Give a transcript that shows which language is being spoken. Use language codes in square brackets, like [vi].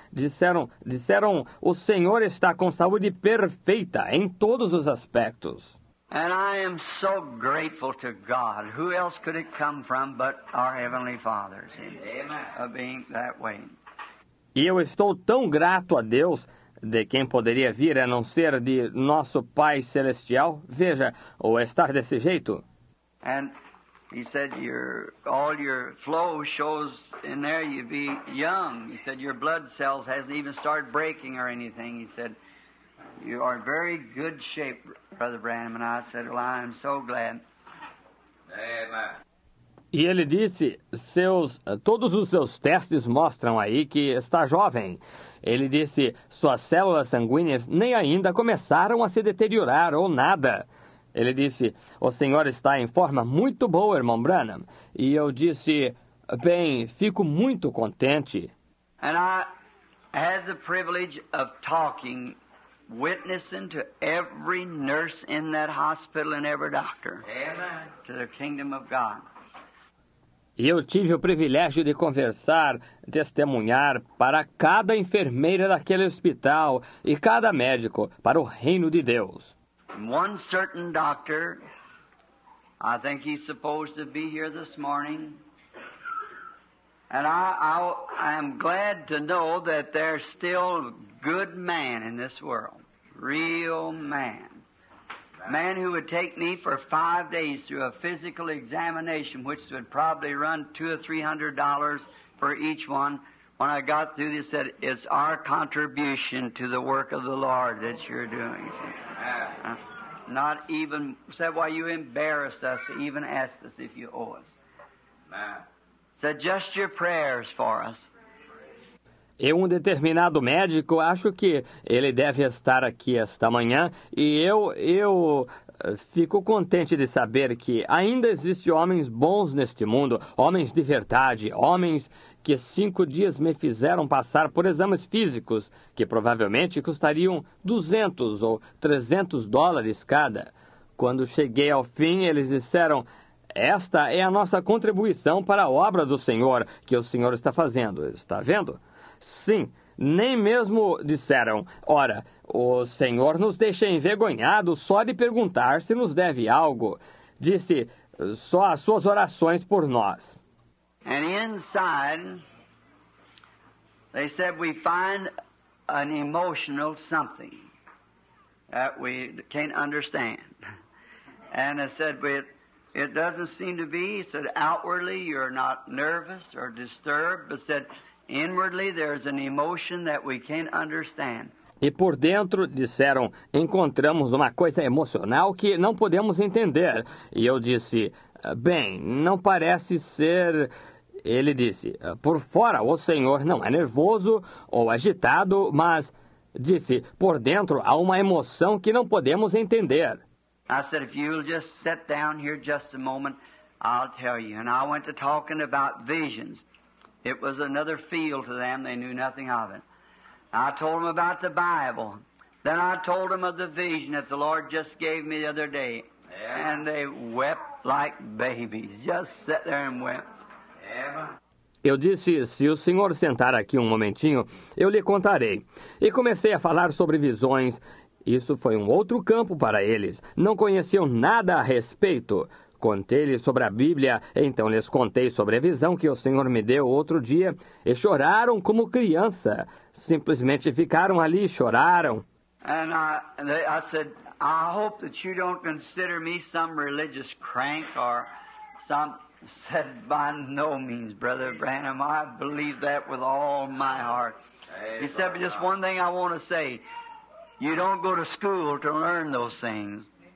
[pt] Disseram, o senhor está com saúde perfeita em todos os aspectos. [en] And I am so grateful to God. Who else could it come from but our Heavenly Father? Amen. Of being that way. [pt] E eu estou tão grato a Deus, de quem poderia vir a não ser de nosso Pai Celestial. Veja, ou estar desse jeito. [en] And he said, all your flow shows in there you be young. He said, your blood cells hasn't even started breaking or anything. He said, you are in very good shape, Brother Branham. And I said, well, I am so glad. Amen. [pt] E ele disse, todos os seus testes mostram aí que está jovem. Ele disse, suas células sanguíneas nem ainda começaram a se deteriorar ou nada. Ele disse, o senhor está em forma muito boa, irmão Branham. E eu disse, bem, fico muito contente. [en] And I had the privilege of talking, witnessing to every nurse in that hospital and every doctor. Amen. To the kingdom of God. [pt] E eu tive o privilégio de conversar, testemunhar para cada enfermeira daquele hospital e cada médico para o reino de Deus. [en] One certain doctor, I think he's supposed to be here this morning, and I am glad to know that there's still good man in this world, real man. Man who would take me for 5 days through a physical examination, which would probably run $200 or $300 for each one. When I got through, they said, it's our contribution to the work of the Lord that you're doing. Not even, said, why, you embarrassed us to even ask us if you owe us. Said, just your prayers for us. [pt] E um determinado médico, acho que ele deve estar aqui esta manhã, e eu fico contente de saber que ainda existem homens bons neste mundo, homens de verdade, homens que 5 dias me fizeram passar por exames físicos, que provavelmente custariam $200 or $300 cada. Quando cheguei ao fim, eles disseram, esta é a nossa contribuição para a obra do Senhor, que o Senhor está fazendo, está vendo? Sim, nem mesmo disseram, ora, o senhor nos deixa envergonhados só de perguntar se nos deve algo. Disse, só as suas orações por nós. [en] And inside, they said we find an emotional something that we can't understand. And they said, it doesn't seem to be, said, outwardly you're not nervous or disturbed, but said, inwardly, there's an emotion that we can't understand. [pt] E por dentro, disseram, encontramos uma coisa emocional que não podemos entender. E eu disse, bem, não parece ser... Ele disse, por fora o senhor não é nervoso ou agitado, mas, disse, por dentro há uma emoção que não podemos entender. [en] I said, if you'll just sit down here just a moment, I'll tell you. And I went to talking about visions. It was another field to them. They knew nothing of it. I told them about the Bible. Then I told them of the vision that the Lord just gave me the other day. Yeah. And they wept like babies. Just sat there and wept. Yeah. [pt] Eu disse, se o senhor sentar aqui um momentinho, eu lhe contarei. E comecei a falar sobre visões. Isso foi um outro campo para eles. Não conheciam nada a respeito. Contei-lhe sobre a Bíblia, então lhes contei sobre a visão que o Senhor me deu outro dia, e choraram como criança. Simplesmente ficaram ali e choraram. [en] I said, I hope that you don't consider me some religious crank or some... Said, by no means, Brother Branham, I believe that with all my heart. Hey, he said, but just one thing I want to say, you don't go to school to learn those things.